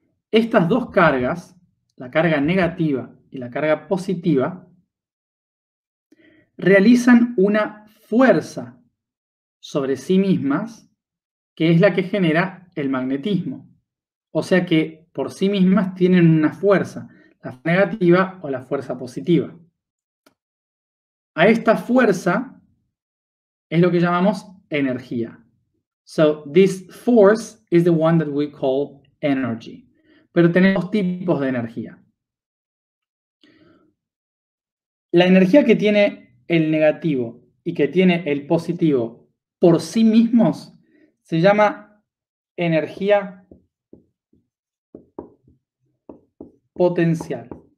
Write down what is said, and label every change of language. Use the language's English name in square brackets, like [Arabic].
[Spanish] Estas dos cargas, la carga negativa y la carga positiva, realizan una fuerza sobre sí mismas que es la que genera el magnetismo. O sea que por sí mismas tienen una fuerza, la negativa o la fuerza positiva. A esta fuerza es lo que llamamos energía. [English] So, this force is the one that we call energy. [Spanish] Pero tenemos dos tipos de energía. La energía que tiene el negativo y que tiene el positivo por sí mismos se llama energía potencial.